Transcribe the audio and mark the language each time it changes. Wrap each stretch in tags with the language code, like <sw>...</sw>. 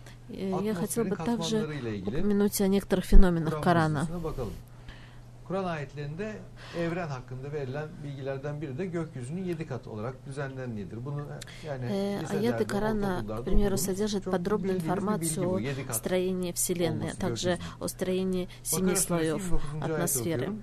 <ru>Я хотел бы также упомянуть о некоторых феноменах Корана.</ru> <tr>Kur'an ayetlerinde evren hakkında verilen bilgilerden biri de gökyüzünün 7 kat olarak düzenlendiğidir. Bunu yani ayet-i Kur'an'a,</tr> <ru>примеру, содержит подробную информацию о строении вселенной, также о строении семи слоев атмосферы.</ru>